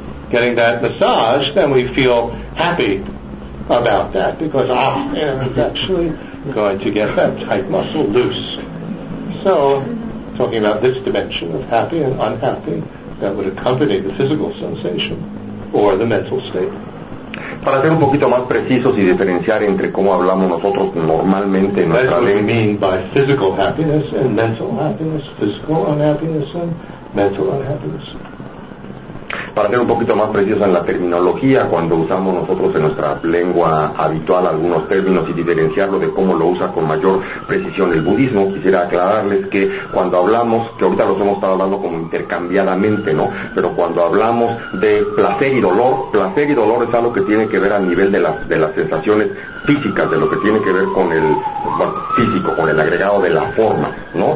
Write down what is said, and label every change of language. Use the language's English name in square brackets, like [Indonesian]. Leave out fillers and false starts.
[English] getting that massage, then we feel happy about that, because it's actually going to get that tight muscle loose. So, talking about this dimension of happy and unhappy that would accompany the physical sensation or the mental state. [Spanish] Para ser un poquito más precisos y diferenciar entre cómo hablamos nosotros normalmente en nuestra lengua. [English] That's what we mean by physical happiness and mental happiness, physical unhappiness and mental unhappiness. [Spanish] Para ser un poquito más precisos en la terminología, cuando usamos nosotros en nuestra lengua habitual algunos términos y diferenciarlo de cómo lo usa con mayor precisión el budismo, quisiera aclararles que cuando hablamos, que ahorita los hemos estado hablando como intercambiadamente, ¿no? Pero cuando hablamos de placer y dolor es algo que tiene que ver a nivel de las sensaciones físicas, de lo que tiene que ver con el físico, con el agregado de la forma, ¿no?